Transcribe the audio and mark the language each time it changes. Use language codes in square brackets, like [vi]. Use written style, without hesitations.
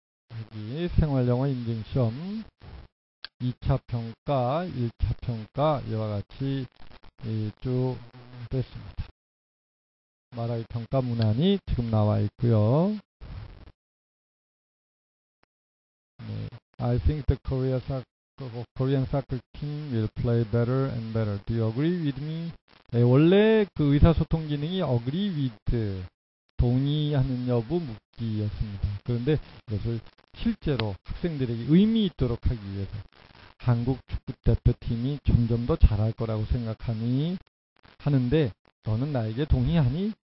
[ko] 여기 생활영어 인증시험 2차 평가, 1차 평가 이와 같이 쭉 됐습니다. 말하기 평가 문안이 지금 나와 있고요. [en] 네, I think the Korean soccer team will play better and better. Do you agree with me? [ko] 네, 원래 그 의사소통 기능이 agree with, 동의하는 여부 묻기였습니다. 그런데 이것을 실제로 학생들에게 의미 있도록 하기 위해서 한국 축구 대표팀이 점점 더 잘할 거라고 생각하니 하는데 너는 나에게 동의하니?